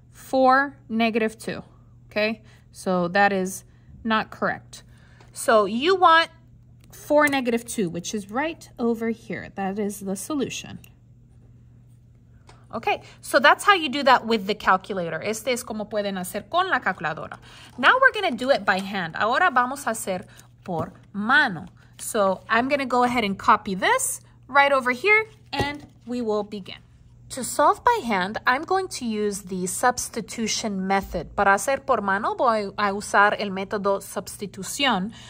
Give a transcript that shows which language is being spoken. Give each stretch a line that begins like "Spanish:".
English: 4, negative 2, okay? So that is not correct. So you want 4, negative 2, which is right over here. That is the solution. Okay, so that's how you do that with the calculator.
Spanish: Este es como pueden hacer con la calculadora.
English: Now we're going to do it by hand.
Spanish: Ahora vamos a hacer por mano.
English: So I'm going to go ahead and copy this right over here, and we will begin. To solve by hand, I'm going to use the substitution method.
Spanish: Para hacer por mano, voy a usar el método sustitución.